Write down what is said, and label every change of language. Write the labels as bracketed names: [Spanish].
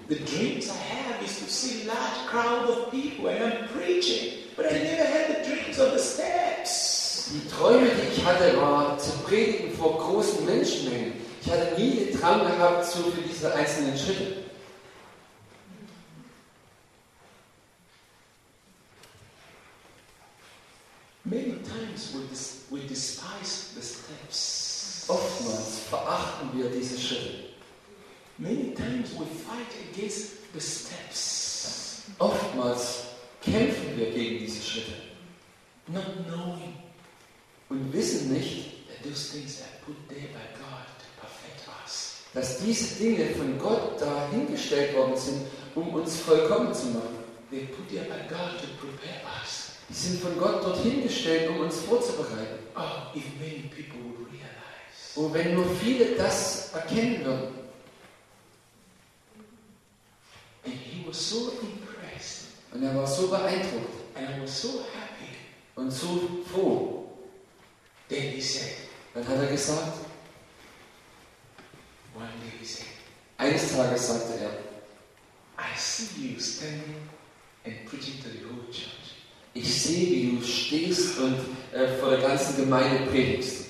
[English] The dreams I have is to see large crowd of people and I'm preaching, but I never had the dreams of the steps. [German] Die Träume, die ich hatte, war zu predigen vor großen Menschenmengen. Ich hatte nie den Traum gehabt zu für diese einzelnen Schritte. [English] Many times we despise the steps. [German] Oftmals verachten wir diese Schritte. [English] Many times we fight against the steps. [German] Oftmals kämpfen wir gegen diese Schritte. [English] Not knowing. [German] Und wissen nicht, [English] that those things are put there by God to perfect us. [German] Dass diese Dinge von Gott dahingestellt worden sind, um uns vollkommen zu machen. [English] They put there by God to prepare us. [German] Die sind von Gott dorthin gestellt, um uns vorzubereiten. [English] Oh, if many people would realize. [German] Und wenn nur viele das erkennen würden. [English] So impressed. [German] Und er war so beeindruckt. [English] And I was so happy. [German] Und so froh. [English] Then he said, [German] dann hat er gesagt, [English] one day he said, [German] eines Tages sagte er, [English] I see you standing and preaching to the whole church. [German] Ich sehe, wie du stehst und vor der ganzen Gemeinde predigst.